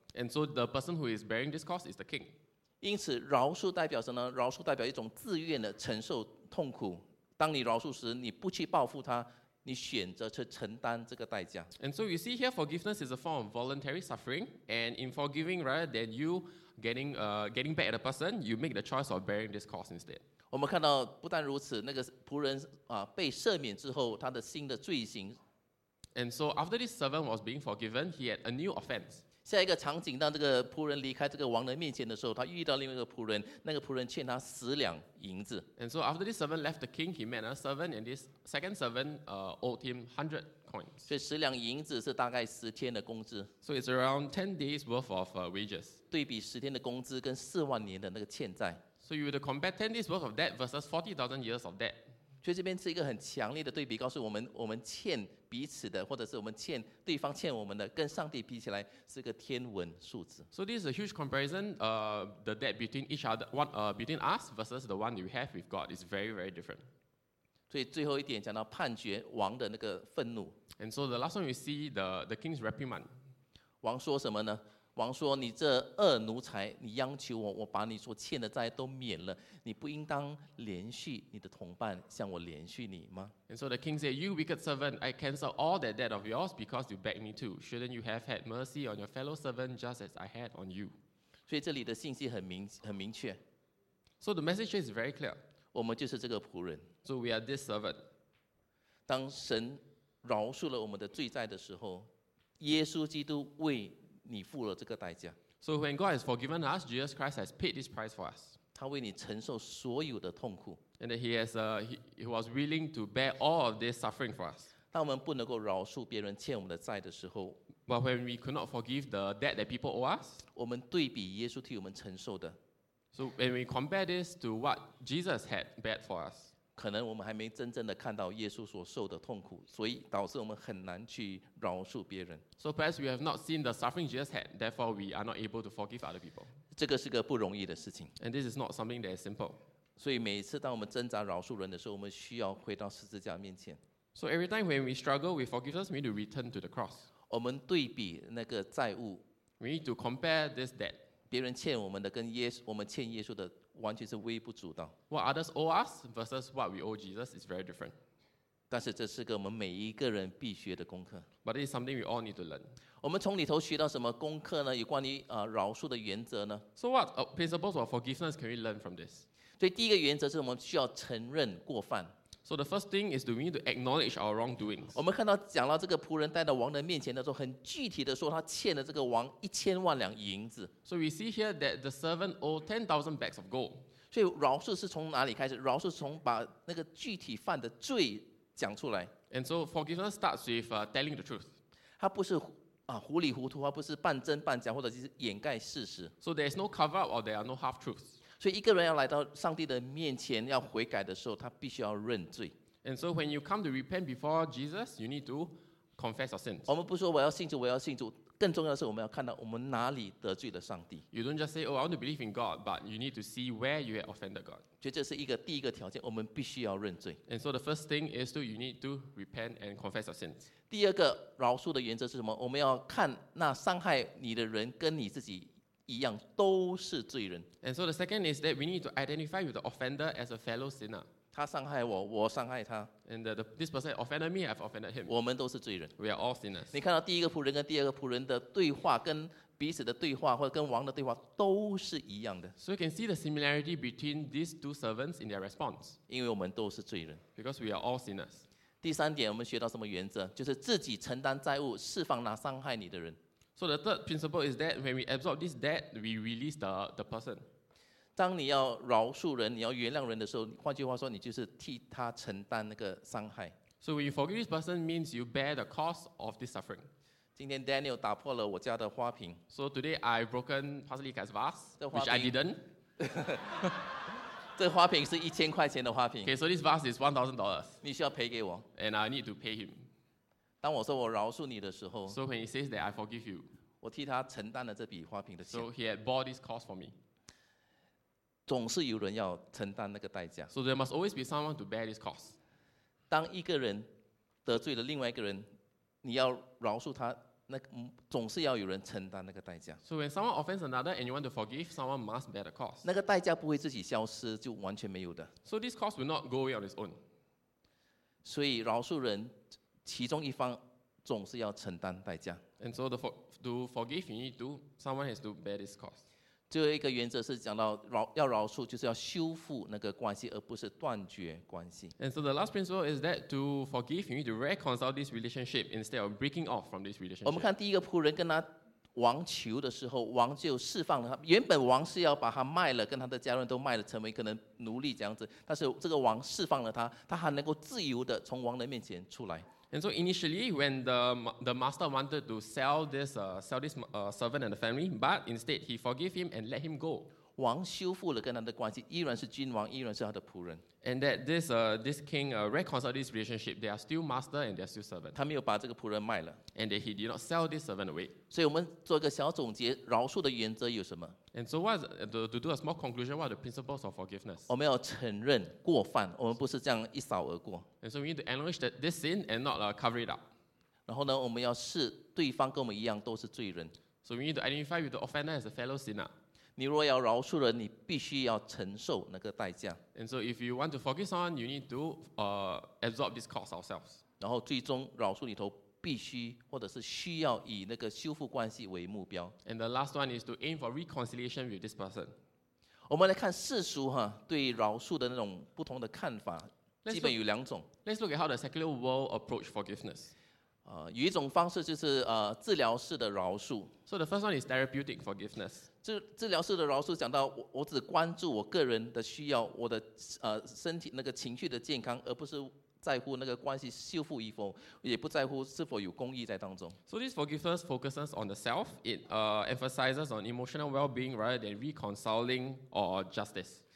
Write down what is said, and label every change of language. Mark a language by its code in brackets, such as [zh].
[en] And so the person who is bearing this cost is the king. [zh] 因此，饶恕代表什么呢？饶恕代表一种自愿的承受痛苦、当你饶恕时，你不去报复他，你选择去承担这个代价。 [en] And so you see here, forgiveness is a form of voluntary suffering. And in forgiving, rather than you getting back at the person, you make the choice of bearing this cost instead. [zh] 我们看到不但如此，那个仆人啊被赦免之后，他的新的罪行。 [en] And so after this servant was being forgiven, he had a new offense. [zh] 下一个场景，当这个仆人离开这个王的面前的时候，他遇到另外一个仆人，那个仆人欠他十两银子。 [en] And so after this servant left the king, he met a servant, and this second servant owed him 100 coins. [zh] 所以十两银子是大概十天的工资。 [en] So it's around 10 days worth of wages. [zh] 对比十天的工资跟四万年的那个欠债。 [en] So you would compare 10 days worth of debt versus 40,000 years of debt. [zh] 所以这边是一个很强烈的对比，告诉我们，我们欠彼此的，或者是我们欠对方欠我们的，跟上帝比起来是个天文数字。 [en] So this is a huge comparison. The debt between each other, between us versus the one we have with God is very, very different. [zh] 所以最后一点讲到判决王的那个愤怒。 [en] And so the last one we see the king's reprimand. [zh] 王说什么呢？王说：“你这恶奴才，你央求我，我把你所欠的债都免了。你不应当连续你的同伴向我连续你吗 [en] ？”And so the king said, "You wicked servant, I cancel all that debt of yours because you begged me to. Shouldn't you have had mercy on your fellow servant just as I had on you?" [zh] 所以这里的信息很明确。 [en] So the message is very clear. [zh] 我们就是这个仆人。 [en] So we are this servant. [zh] 当神饶恕了我们的罪债的时候，耶稣基督为你付了这个代价。 [en] So when God has forgiven us, Jesus Christ has paid this price for us. [zh] 他为你承受所有的痛苦。 [en] And he has, he was willing to bear all of this suffering for us. [zh] 当我们不能够饶恕别人欠我们的债的时候 [en] ，But when we could not forgive the debt that people owe us, [zh] 我们对比耶稣替我们承受的。 [en] So when we compare this to what Jesus had bear for us, [zh] 可能我们还没真正的看到耶稣所受的痛苦，所以导致我们很难去饶恕别人。 [en] So perhaps we have not seen the suffering Jesus had, therefore we are not able to forgive other people. [zh] 这个是个不容易的事情。 [en] And this is not something that is simple. [zh] 所以每次当我们挣扎饶恕人的时候，我们需要回到十字架面前。 [en] So every time when we struggle with forgiveness, we need to return to the cross. [zh] 我们对比那个债务。 [en] We need to compare this debt. [zh] 别人欠我们的跟耶稣，我们欠耶稣的完全是微不足道。 [en] What others owe us versus what we owe Jesus is very different. [zh] 但是这是个我们每一个人必学的功课。 [en] But it is something we all need to learn. [zh] 我们从里头学到什么功课呢？有关于饶恕的原则呢 [en] ？So what principles of forgiveness can we learn from this? [zh] 所以第一个原则是我们需要承认过犯。 [en] So the first thing is we need to acknowledge our wrongdoings. [zh] 我们看到讲到这个仆人带到王的面前的时候，很具体的说他欠了这个王一千万两银子。 [en] So we see here that the servant owed 10,000 bags of gold. [zh] 所以饶恕是从哪里开始？饶恕是从把那个具体犯的罪讲出来。 [en] And so forgiveness starts with telling the truth. [zh] 它不是糊里糊涂，它不是半真半假，或者是掩盖事实。 [en] So there is no cover up or there are no half truths. [zh] 所以一个人要来到上帝的面前要悔改的时候，他必须要认罪。 [en] And so when you come to repent before Jesus, you need to confess your sins. [zh] 我们不说我要信主，我要信主。更重要的是，我们要看到我们哪里得罪了上帝。 [en] You don't just say, "Oh, I want to believe in God," but you need to see where you have offended God. [zh] 所以这是一个第一个条件，我们必须要认罪。 [en] And so the first thing is to you need to repent and confess your sins. [zh] 第二个饶恕的原则是什么？我们要看那伤害你的人跟你自己一样都是罪人。 [en] And so the second is that we need to identify with the offender as a fellow sinner. [zh] 他伤害我，我伤害他。 [en] And this person offended me, I've offended him. [zh] 我们都是罪人。 [en] We are all sinners. [zh] 你看到第一个仆人跟第二个仆人的对话，跟彼此的对话，或者跟王的对话，都是一样的。 [en] So you can see the similarity between these two servants in their response. [zh] 因为我们都是罪人。 [en] Because we are all sinners. [zh] 第三点，我们学到什么原则？就是自己承担债务，释放那伤害你的人。 [en] So the third principle is that when we absorb this debt, we release the person. [zh] 当你要饶恕人，你要原谅人的时候，换句话说，你就是替他承担那个伤害。 [en] So when you forgive this person, means you bear the cost of this suffering. [zh] 今天 Daniel 打破了我家的花瓶。 [en] So today I broken Pastor Lee's vase, which I didn't. [zh] 这花瓶是1,000块钱的花瓶。 [en] Okay, so this vase is $1,000. [zh] 你需要赔给我。 [en] And I need to pay him. [zh] 当我说我饶恕你的时候 [en] ，So when he says that I forgive you, [zh] 我替他承担了这笔花瓶的钱。 [en] So he had bought this cost for me. [zh] 总是有人要承担那个代价。 [en] So there must always be someone to bear this cost. [zh] 当一个人得罪了另外一个人，你要饶恕他，那总是要有人承担那个代价。 [en] So when someone offends another and you want to forgive, someone must bear the cost. [zh] 那个代价不会自己消失，就完全没有的。 [en] So this cost will not go away on its own. [zh] 所以饶恕人其中一方总是要承担代价。 [en] And so to forgive you need to, someone has to bear this cost. [zh] 最后一个原则是讲到要饶恕就是要修复那个关系而不是断绝关系。 [en] And so the last principle is that to forgive you need to reconcile this relationship instead of breaking off from this relationship. [zh] 我们看第一个仆人跟他王求的时候王就释放了他原本王是要把他卖了跟他的家人都卖了成为可能奴隶这样子但是这个王释放了他他还能够自由的从王的面前出来。 [en] And so initially, when the master wanted to sell this servant and the family, but instead he forgave him and let him go. [zh] 王修复了跟他的关系，依然是君王，依然是他的仆人。 [en] And that this king reconciled this relationship. They are still master and they are still servant. [zh] 他没有把这个仆人卖了。 [en] And that he did not sell this servant away. [zh] 所以我们做一个小总结，饶恕的原则有什么？ [en] And so what to do a small conclusion, what are the principles of forgiveness? [zh] 我们要承认过犯，我们不是这样一扫而过。 [en] And so we need to acknowledge that this sin and not cover it up. [zh] 然后呢，我们要视对方跟我们一样都是罪人。 [en] So we need to identify with the offender as a fellow sinner. [zh] 你若要饶恕人，你必须要承受那个代价。 [en] And so if you want to forgive someone, you need to absorb this cost ourselves. [zh] 然后最终饶恕里头必须或者是需要以那个修复关系为目标。 [en] And the last one is to aim for reconciliation with this person. [zh] 我们来看世俗哈对饶恕的那种不同的看法，基本有两种。 [en] Let's look at how the secular world approach forgiveness. [zh] 有一种方式就是治疗式的饶恕。 [en] So the first one is therapeutic forgiveness. [zh] 治疗式的饶恕讲到我只关注我个人的需要，我的身体那个情绪的健康，而不是。在乎那个关系修复与否，也不在乎是否有公义在当中。 [en] So this forgiveness focuses on the self. It emphasizes on emotional well-being rather than reconciling or justice.